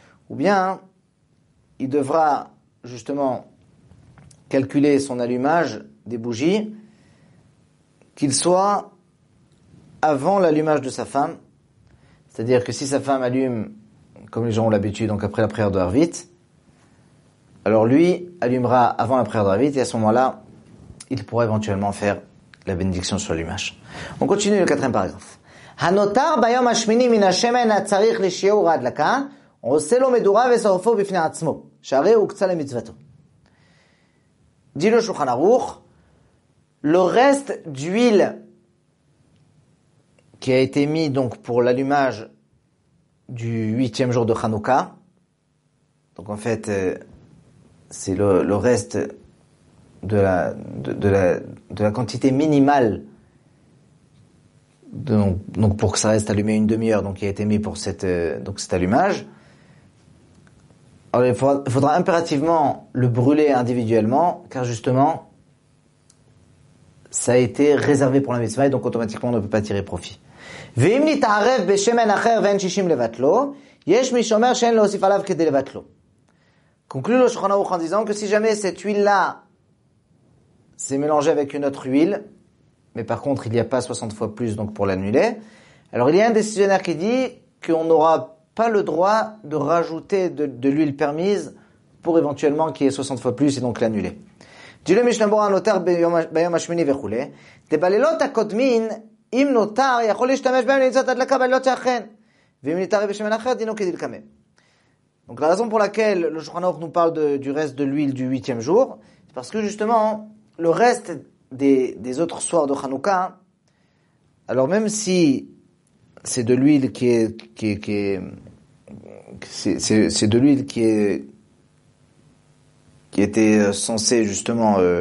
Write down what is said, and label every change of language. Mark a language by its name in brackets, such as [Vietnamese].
[French] Ou bien, il devra justement calculer son allumage des bougies, qu'il soit avant l'allumage de sa femme, c'est-à-dire que si sa femme allume, comme les gens ont l'habitude, donc après la prière de Arvit, alors lui allumera avant la prière de Arvit, et à ce moment-là, il pourra éventuellement faire la bénédiction sur l'allumage. On continue le quatrième paragraphe. [Hebrew] הנותר ביום השמיני מן השמן הצריך לשיעור ההדלקה, עושה לו מדורה ושורפו בפני עצמו, שהרי הוא קצה למצוותו. דין לשולחן ערוך, [French] le reste d'huile qui a été mis donc pour l'allumage du huitième jour de Hanouka, donc en fait c'est le reste de la quantité minimale donc pour que ça reste allumé une demi-heure, donc il a été mis pour cet allumage. Alors il faudra impérativement le brûler individuellement, car justement ça a été réservé pour la mitzvah, et donc automatiquement on ne peut pas tirer profit. [Hebrew] ואם נתערב בשמן אחר ואין 60 לבטלו, יש מי שאומר שאין להוסיף עליו כדי לבטלו. [French] Conclut le Shulchan Aruch en disant que si jamais cette huile-là s'est mélangée avec une autre huile, mais par contre il n'y a pas 60 fois plus donc pour l'annuler, alors il y a un décisionnaire qui dit qu'on n'aura pas le droit de rajouter de l'huile permise pour éventuellement qu'il y ait 60 fois plus et donc l'annuler. [Hebrew] דילו משנה ברורה נותר ביום השמיני וכו'. לבלילות הקודמין, אם נותר, יכול להשתמש בהם למצוות הדלקה בלילות שאכן. ואם נתערב בשמן אחר, דינו כדלקמה. [French] Donc la raison pour laquelle le Shulchan Aruch nous parle du reste de l'huile du huitième jour, c'est parce que justement, le reste des autres soirs de Hanouka, alors même si c'est de l'huile qui était censé justement